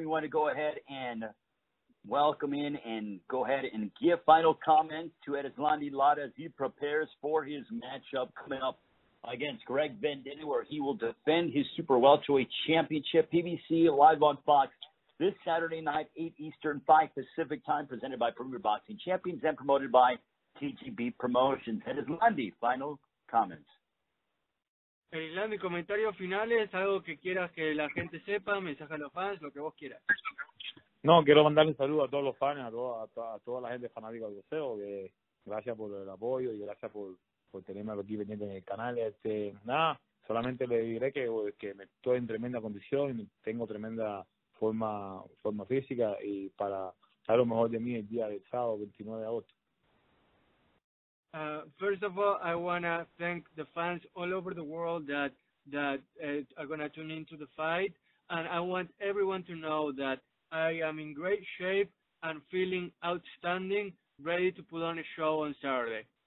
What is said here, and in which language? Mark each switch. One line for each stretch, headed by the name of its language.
English: You want to go ahead and welcome in and go ahead and give final comments to ERISLANDY LARA as he prepares for his matchup coming up against Greg Vendetti, where he will defend his Super Welterweight Championship PBC live on Fox this Saturday night, 8 Eastern, 5 Pacific time, presented by Premier Boxing Champions and promoted by TGB Promotions. ERISLANDY, final comments.
Spanish: ERISLANDY, comentarios finales, algo que quieras que la gente sepa, mensaje a los fans, lo que vos quieras. No, quiero mandar un saludo a todos los fans, a toda la gente fanática del boxeo, que gracias por el apoyo y gracias por tenerme aquí pendiente en el canal. Nada, solamente le diré que estoy en tremenda condición, tengo tremenda forma física y para dar lo mejor de mí el día del sábado 29 de agosto.
English: First of all, I want to thank the fans all over the world that are going to tune into the fight. And I want everyone to know that I am in great shape and feeling outstanding, ready to put on a show on Saturday.